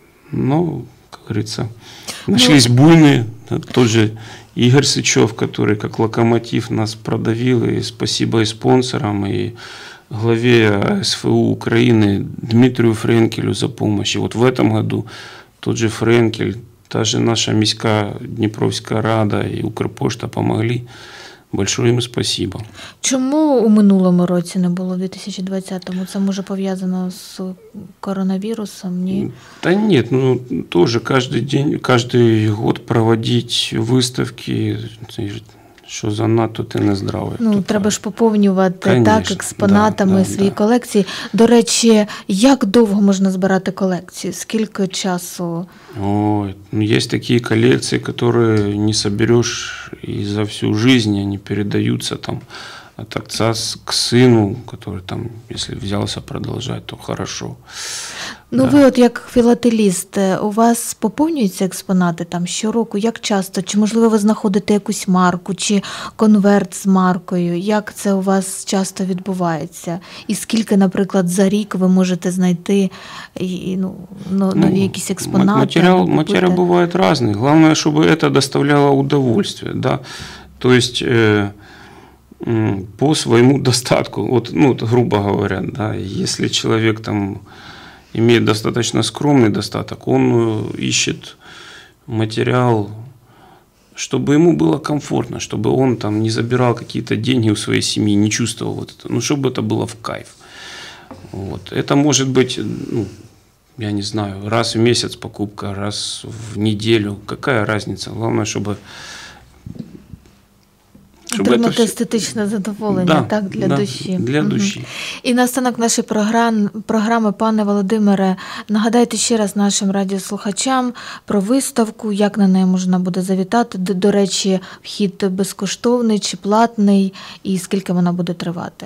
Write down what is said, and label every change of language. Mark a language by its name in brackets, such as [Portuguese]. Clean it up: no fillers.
[Russian] Но, как говорится, нашлись буйные. Тот же Игорь Сычев, который как локомотив нас продавил. И спасибо и спонсорам, и главе СФУ Украины Дмитрию Френкелю за помощь. И вот в этом году тот же Френкель, та же наша міськая Дніпровська рада и Укрпошта помогли. Большое им спасибо. [Ukrainian] Чому у минулому році не було, в 2020-му? Це, може, пов'язано з коронавірусом? Ні? Та ні, ну, теж кожен день, кожен год проводити виставки, що занадто ти нездравий. Ну, тобто, треба ж поповнювати, конечно, так, експонатами, да, свої, да, колекції. До речі, як довго можна збирати колекції? Скільки часу? Ой, ну, є такі колекції, які не збереш і за всю життя, вони передаються там от [Russian] отца к сину, который там, если взялся продолжать, то хорошо. [Ukrainian] Ну, да. Ви от як філателіст, у вас поповнюються експонати там щороку? Як часто? Чи, можливо, ви знаходите якусь марку, чи конверт з маркою? Як це у вас часто відбувається? І скільки, наприклад, за рік ви можете знайти нові якісь експонати? Матеріал буває різний. Головне, щоб це доставляло удовольствие. [Russian] Да? [Ukrainian] Тобто, по своему достатку. [Russian] Вот, ну, грубо говоря, да, если человек там имеет достаточно скромный достаток, он ищет материал, чтобы ему было комфортно, чтобы он там не забирал какие-то деньги у своей семьи, не чувствовал вот это, ну, чтобы это было в кайф. Вот. Это может быть, ну, я не знаю, раз в месяц покупка, раз в неделю, какая разница, главное, чтобы... [Ukrainian] Отримати естетичне задоволення, да, так, для, да, душі. Для душі. І наостанок нашої програми, пане Володимире, нагадайте ще раз нашим радіослухачам про виставку, як на неї можна буде завітати. До речі, вхід безкоштовний чи платний, і скільки вона буде тривати?